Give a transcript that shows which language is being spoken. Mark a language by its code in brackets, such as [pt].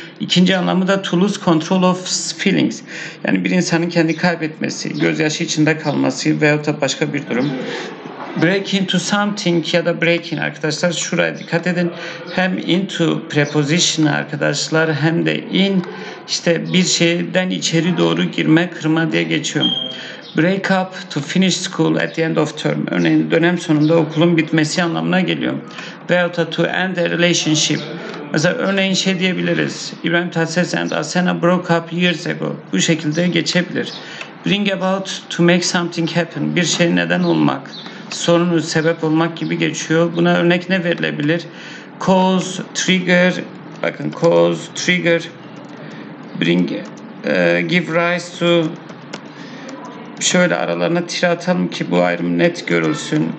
[tr] İkinci anlamı da [en] to lose control of feelings. [tr] Yani bir insanın kendi kaybetmesi, gözyaşı içinde kalması veya da başka bir durum. Break into something ya da breaking arkadaşlar, şuraya dikkat edin. Hem into preposition arkadaşlar, hem de in, işte bir şeyden içeri doğru girme, kırma diye geçiyorum. [en] Break up, to finish school at the end of term. [tr] Örneğin dönem sonunda okulun bitmesi anlamına geliyor. [en] Veya to end a relationship. [tr] Mesela örneğin şey diyebiliriz. [en] İbrahim Tatlıses and Asena broke up years ago. [tr] Bu şekilde geçebilir. [en] Bring about, to make something happen. [tr] Bir şey neden olmak. Sorunu sebep olmak gibi geçiyor. Buna örnek ne verilebilir? [en] Cause, trigger. [tr] Bakın [en] cause, trigger. Bring, give rise to. [tr] Şöyle aralarına tire atalım ki bu ayrım net görülsün.